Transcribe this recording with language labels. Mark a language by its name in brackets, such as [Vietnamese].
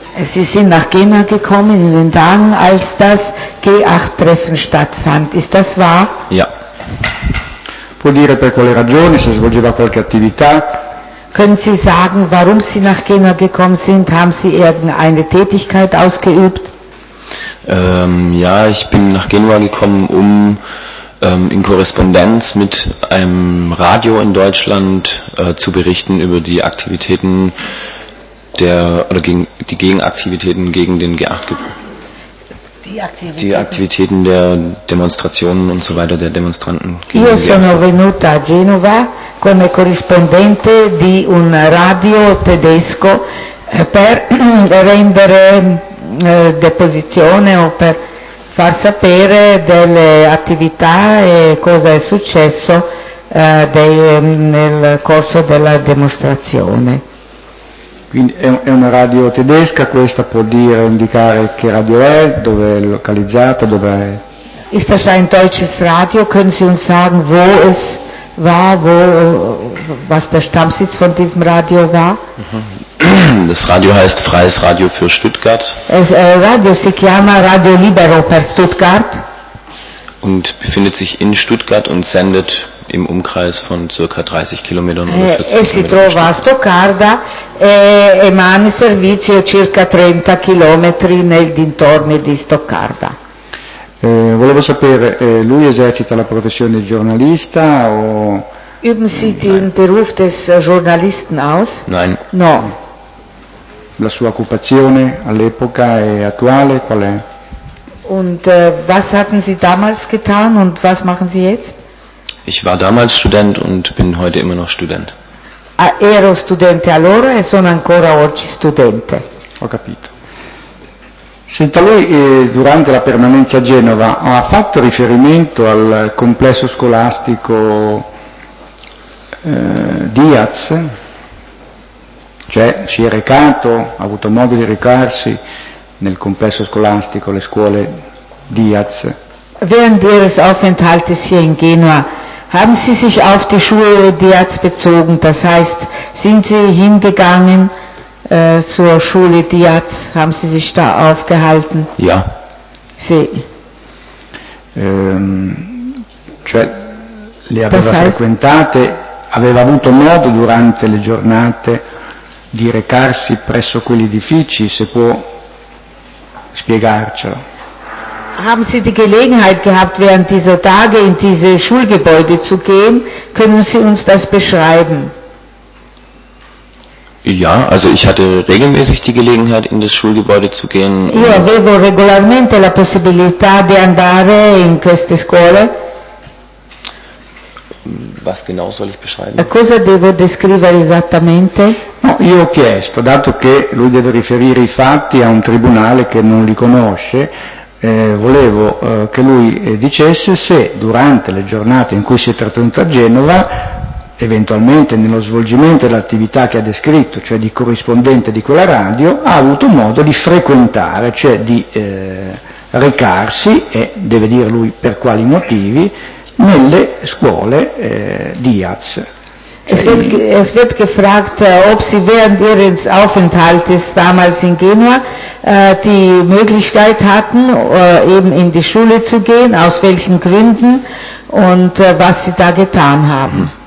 [German] Sie sind nach Genua gekommen in den Tagen, als das G8-Treffen stattfand. Ist das wahr? Ja. [Italian] Può dire per quale ragione, se svolgeva qualche attività? [German] Können Sie sagen, warum Sie nach Genua gekommen sind? Haben Sie irgendeine Tätigkeit ausgeübt? Ja, ich bin nach Genua gekommen, um in Korrespondenz mit einem Radio in Deutschland zu berichten über die Aktivitäten der oder gegen die Gegenaktivitäten gegen den G8-Gipfel. Die Aktivitäten der Demonstrationen und so weiter der Demonstranten. [Italian] Io sono venuta a Genova come corrispondente di un radio tedesco per rendere deposizione o per far sapere delle attività e cosa è successo nel corso della dimostrazione. Quindi è una radio tedesca, questa può dire, indicare che radio è, dove è localizzata, dove è? [German] Ist das ein deutsches Radio? Können Sie uns sagen, wo es war, wo, was der Stammsitz von diesem Radio war? Das Radio heißt Freies Radio für Stuttgart. [Italian] Es Radio si chiama Radio Libero per Stuttgart. [German] Und befindet sich in Stuttgart und sendet im Umkreis von ca. 30 Kilometern oder 40 Kilometern. [Italian] E si trova a Stoccarda e emane servizio circa 30 chilometri nel dintorni di Stoccarda. Volevo sapere, lui esercita la professione di giornalista o? [German] Üben Sie den Beruf des Journalisten aus? Nein. [Italian] No. La sua occupazione all'epoca e attuale qual è? [German] Und was hatten Sie damals getan und was machen Sie jetzt? Ich war damals Student und bin heute immer noch Student. [Italian] Ah, ero studente allora e sono ancora oggi studente. Ho capito. Senta, lui durante la permanenza a Genova ha fatto riferimento al complesso scolastico Diaz? Cioè, si è recato, ha avuto modo di recarsi nel complesso scolastico, le scuole Diaz? [German] Während ihres Aufenthaltes hier in Genua, haben Sie sich auf die Schule Diaz bezogen? Das heißt, sind Sie hingegangen zur Schule Diaz? Haben Sie sich da aufgehalten? Ja. [Italian] Sì. Cioè, le aveva [German] das heißt, [Italian] frequentate, aveva avuto modo durante le giornate di recarsi presso quegli edifici, se può spiegarcelo. [German] Haben Sie die Gelegenheit gehabt, während dieser Tage in diese Schulgebäude zu gehen? Können Sie uns das beschreiben? Ja, also ich hatte regelmäßig die Gelegenheit, in das Schulgebäude zu gehen. [Italian] Io avevo regolarmente la possibilità di andare in queste scuole. [German] Was genau soll ich beschreiben? [Italian] Cosa devo descrivere esattamente? No, io ho chiesto, dato che lui deve riferire i fatti a un tribunale che non li conosce, Volevo che lui dicesse se durante le giornate in cui si è trattenuto a Genova, eventualmente nello svolgimento dell'attività che ha descritto, cioè di corrispondente di quella radio, ha avuto modo di frequentare, cioè di recarsi, e deve dire lui per quali motivi, nelle scuole Diaz. [German] Es wird gefragt, ob sie während ihres Aufenthaltes damals in Genua die Möglichkeit hatten, eben in die Schule zu gehen, aus welchen Gründen und was sie da getan haben.